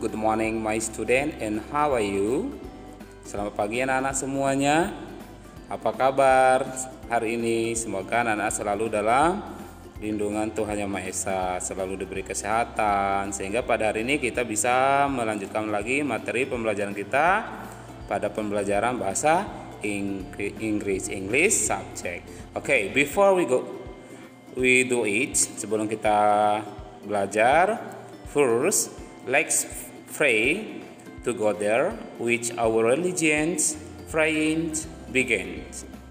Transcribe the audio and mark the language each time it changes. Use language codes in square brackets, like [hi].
[en] Good morning my student and how are you? [id] Selamat pagi anak-anak semuanya. Apa kabar hari ini? Semoga anak-anak selalu dalam lindungan Tuhan Yang Maha Esa, selalu diberi kesehatan sehingga pada hari ini kita bisa melanjutkan lagi materi pembelajaran kita pada pembelajaran bahasa Inggris, English subject. [en] Okay, before we do it, [id] sebelum kita belajar, [en] first let's pray to God there which our religion's praying begins.